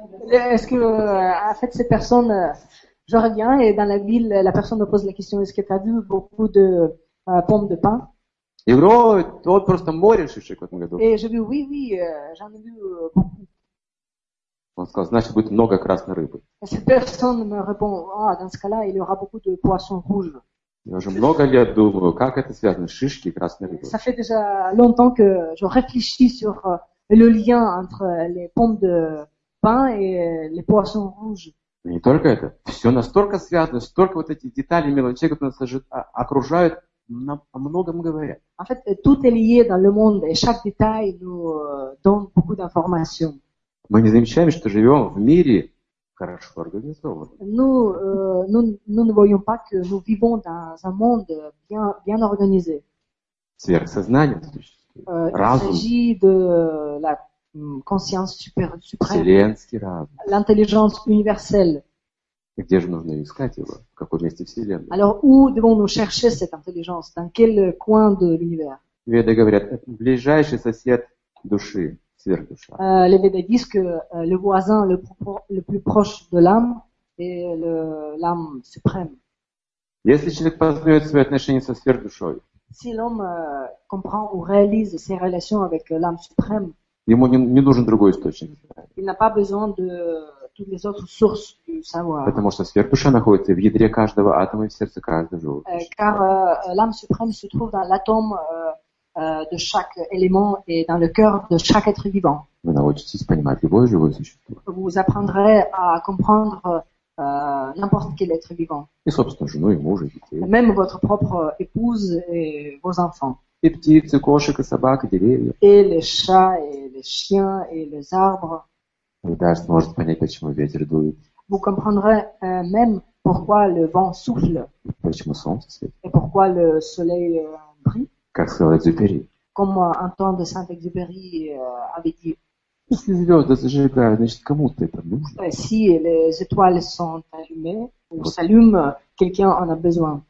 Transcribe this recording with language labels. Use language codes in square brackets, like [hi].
[fr] Est-ce que, en fait, ces personnes, je reviens et dans la ville, la personne me pose la question, est-ce que tu as vu beaucoup de pommes de pin? [ru] Я говорю, вот просто море шишек в этом году. [fr] Et je dis, oui, j'en ai vu beaucoup. [ru] Он сказал, значит, будет много красной рыбы. [fr] Cette personne me répond, dans ce cas-là, il y aura beaucoup de poissons rouges. [ru] Я уже много лет думаю, как это связано, шишки и красной рыбы. [fr] Ça fait déjà longtemps que je réfléchis sur le lien entre les pommes de pin et les poissons rouges. [ru] Но не только это. Все настолько связано, столько вот этих деталей, мелочей, которые нас окружают, о многом говорят. [fr] En fait, tout est lié dans le monde et chaque détail nous donne beaucoup d'informations. [ru] Мы не замечаем, что живем в мире хорошо организованном. [fr] Nous ne voyons pas que nous vivons dans un monde bien organisé. [ru] Сверхсознание существует. Разум. [fr] Il s'agit de la conscience suprême. [ru] Вселенский разум. [fr] L'intelligence universelle. [ru] Где же нужно искать его? В каком месте Вселенной? [fr] Alors, où devons-nous chercher cette intelligence? Dans quel coin de l'univers? [ru] Веды говорят, ближайший сосед души, сверхдуша. [fr] Les Védas disent que le voisin le plus proche de l'âme est l'âme suprême. [ru] Если человек познает свои отношения со сверхдушой, [fr] si l'homme comprend ou réalise ses relations avec l'âme suprême, [ru] ему не нужен другой источник. [fr] Il n'a pas besoin de toutes les autres sources du savoir. [ru] Потому что сверхдуша находится в ядре каждого атома и в сердце каждого живого. [fr] Car l'âme suprême se trouve dans l'atome de chaque élément et dans le cœur de chaque être vivant. [ru] Вы научитесь понимать любое живое существо. [fr] Vous apprendrez à comprendre n'importe quel être vivant. [ru] И собственно, жену, и мужа, и детей. [fr] Même votre propre épouse et vos enfants. [ru] И птицы, кошек, и собак, и деревья. [fr] Et les chats et les chiens et les arbres. [ru] Вы даже сможете понять, почему ветер дует. [fr] Vous comprendrez même pourquoi le vent souffle. [ru] Почему солнце светит. [fr] Et pourquoi le soleil brille. [ru] Как сказал Экзюпери. [fr] Comme Antoine de Saint-Exupéry avait dit. [ru] Если звезды зажигают, значит, кому-то это нужно. [fr] Si les étoiles sont allumées, ou s'allument, quelqu'un en a besoin.